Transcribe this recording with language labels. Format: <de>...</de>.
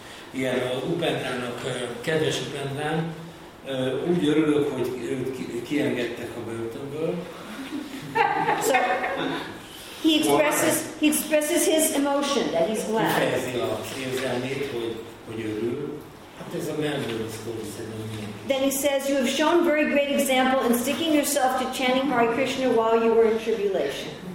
<hu>Igen, a Upendrának, kedves Upendrán, úgy örülök, hogy őt kiengedtek a börtönből.</hu> <en>So, he expresses his emotion, that he's glad.</en> <hu>Kifejezi az érzelmét, hogy örül. Hát ez a mennyből szól, szerintem.</hu> <en>Then he says, you have shown very great example in sticking yourself to chanting Hare Krishna while you were in tribulation.</en>